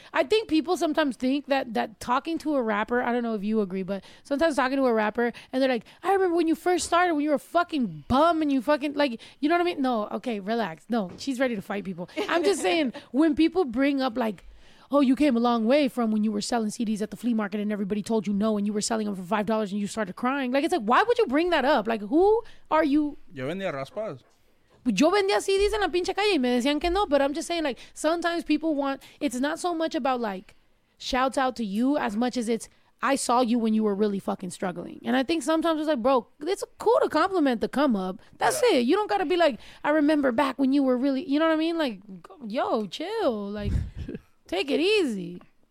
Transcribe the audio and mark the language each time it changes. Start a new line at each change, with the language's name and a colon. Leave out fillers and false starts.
English: I think people sometimes think that talking to a rapper... I don't know if you agree, but sometimes talking to a rapper and they're like, I remember when you first started, when you were a fucking bum and you fucking... Like, you know what I mean? No, okay, relax. No, she's ready to fight people. I'm just saying, when people bring up like, oh, you came a long way from when you were selling CDs at the flea market and everybody told you no and you were selling them for $5 and you started crying. Like, it's like, why would you bring that up? Like, who are you?
Spanish: Yo vendía raspas. Yo vendía CDs en la pinche calle y me decían que no.
English: But I'm just saying, like, sometimes people want... It's not so much about, like, shout out to you as much as it's, I saw you when you were really fucking struggling. And I think sometimes it's like, bro, it's cool to compliment the come up. That's yeah. It. You don't got to be like, I remember back when you were really... You know what I mean? Like, yo, chill. Like... Take it easy.